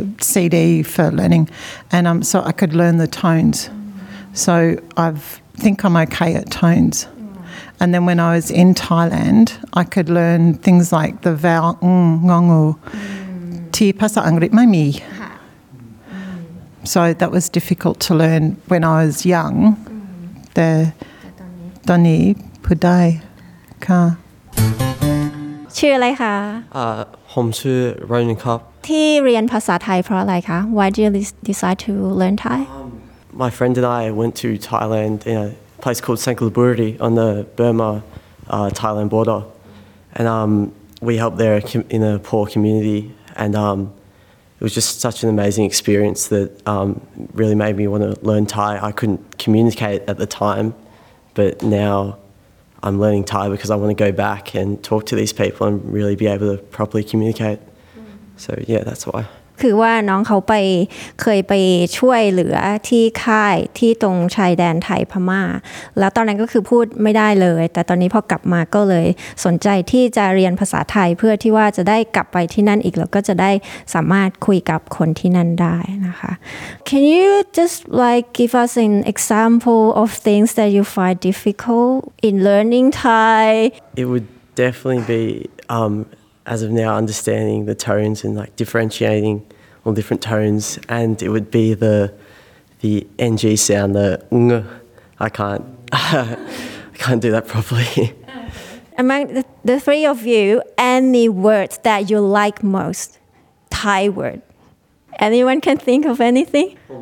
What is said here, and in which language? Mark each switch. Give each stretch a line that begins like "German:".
English: CD for learning and so I could learn the tones so I think I'm okay at tones and then when I was in Thailand I could learn things like the vowel
Thai: ngongu ti pasa angrit mai mi
English: so that was difficult to learn when I was young
Thai: the doni pudai ka ชื่ออะไรคะ ผมชื่อ Ronin Kup ที่เรียนภาษาไทยเพราะอะไรคะ
English: Why did you decide to learn Thai? My friend and I went to Thailand in a place called Sankalaburi on the Burma-Thailand border and we helped there in a poor community and it was just such an amazing experience that really made me want to learn Thai. I couldn't communicate at the time but now I'm learning Thai because I want to go back and talk to these people and really be able to properly communicate. So yeah, that's why.
Thai: คือว่าน้องเขาไปเคยไปช่วยเหลือที่ค่ายที่ตรงชายแดนไทยพม่าแล้วตอนนั้นก็คือพูดไม่ได้เลยแต่ตอนนี้พอกลับมาก็เลยสนใจที่จะเรียนภาษาไทยเพื่อที่ว่าจะได้กลับไปที่นั่นอีกแล้วก็จะได้สามารถคุยกับคนที่นั่นได้นะคะ
English: Can you just like give us an example of things that you find difficult in learning Thai? It would definitely be as of now understanding the tones and like differentiating all different tones and it would be the ng sound the ng I can't I can't do that properly among the three of you any words that you like most Thai word anyone can think of anything